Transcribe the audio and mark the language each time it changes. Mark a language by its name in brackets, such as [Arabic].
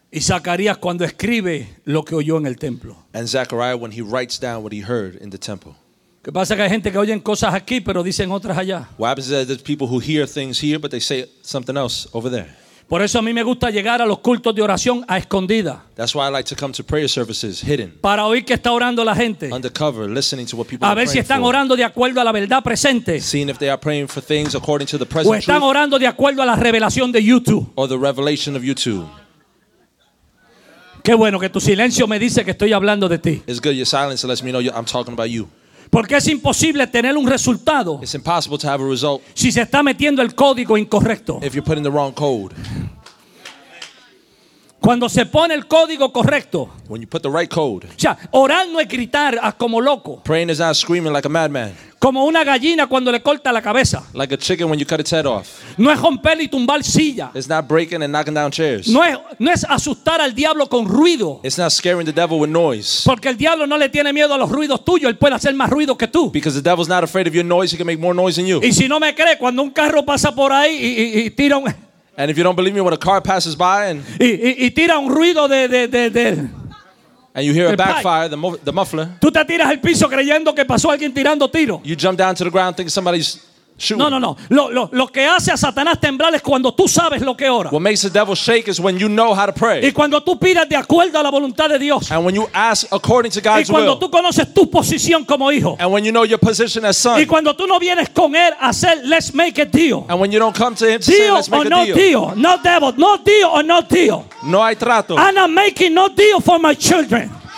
[Spanish] Y Zacarías cuando escribe lo que oyó en el templo. [English] And Zechariah when he writes down what he heard in the temple. [Spanish] ¿Qué pasa que hay gente que oyen cosas aquí pero dicen otras allá? [English] What happens is that there's people who hear things here but they say something else over there. [Spanish] Por eso a mí me gusta llegar a los cultos de oración a escondida. [English] That's why I like to come to prayer services hidden. [Spanish] Para oír qué está orando la gente. [English] Undercover, listening to what people are praying for. [Spanish] A ver si están orando de acuerdo a la verdad presente. [English] Seeing if they are praying for things according to the present truth. [Spanish] O están orando de acuerdo a la revelación de YouTube. [English] Or the revelation of YouTube. [Spanish] Qué bueno que tu silencio me dice que estoy hablando de ti. [English] It's good your silence lets me know I'm talking about you. [Spanish] Porque es imposible tener un resultado. [English] It's impossible to have a result. [Spanish] Si se está metiendo el código incorrecto. [English] If you're putting the wrong code. [Spanish] Cuando se pone el código correcto. [English] When you put the right code. [Spanish] O sea, orar no es gritar como loco. [English] Praying is not screaming like a madman. [Spanish] Como una gallina cuando le corta la cabeza. [English] Like a chicken when you cut its head off. [Spanish] No es romper y tumbar silla. [English] It's not breaking and knocking down chairs. [Spanish] No es asustar al diablo con ruido. [English] It's not scaring the devil with noise. [Spanish] Porque el diablo no le tiene miedo a los ruidos tuyos. Él puede hacer más ruido que tú. [English] Because the devil's not afraid of your noise. He can make more noise than you. [Spanish] Y si no me cree, cuando un carro pasa por ahí y tira un... [English] And if you don't believe me, when a car passes by and... [Spanish] Y tira un ruido de [English] And you hear a backfire, the muffler. [Spanish] Tú te tiras al piso creyendo que pasó alguien tirando tiro. [English] You jump down to the ground thinking somebody's shooting. [Spanish] No. Lo que hace a Satanás temblar es cuando tú sabes lo que ora. [English] What makes the devil shake is when you know how to pray. [Spanish] Y cuando tú pidas de acuerdo a la voluntad de Dios. [English] And when you ask according to God's will. [Spanish] Y cuando tú conoces tu posición como hijo. [English] And when you know your position as son. [Spanish] Y cuando tú no vienes con él a hacer [English] let's make a deal. And when you don't come to him to say let's make a deal. No devil, no deal or no deal. [Spanish] No hay trato. [English] I'm not making no deal for my children.